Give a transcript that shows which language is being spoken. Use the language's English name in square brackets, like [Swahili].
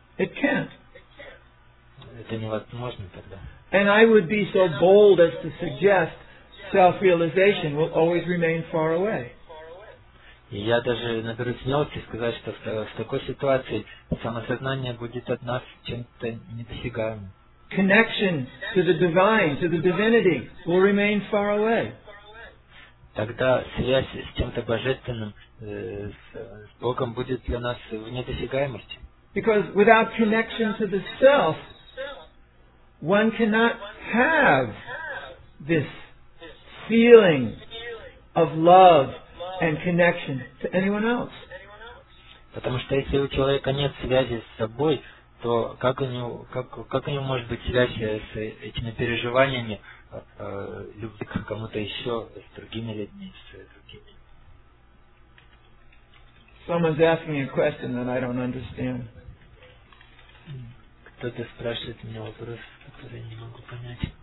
[English] It can't. [Russian] Это невозможно тогда. [English] And I would be so bold as to suggest self-realization will always remain far away. [Russian] И я даже наберу смелости сказать, что в такой ситуации самосознание будет от нас чем-то недосягаемым. [English] Connection to the divine, to the divinity, will remain far away. [Russian] Тогда связь с чем-то божественным, с Богом будет для нас в недосягаемости. [English] Because without connection to the self, one cannot have this feeling of love and connection to anyone else. [Russian] Потому что если у человека нет связи с собой, то как у него может быть связь с этими переживаниями любви к кому-то еще, с другими людьми, с другими? [English] Someone's asking a question that I don't understand. [Russian] Кто-то спрашивает меня вопрос, который я не могу понять.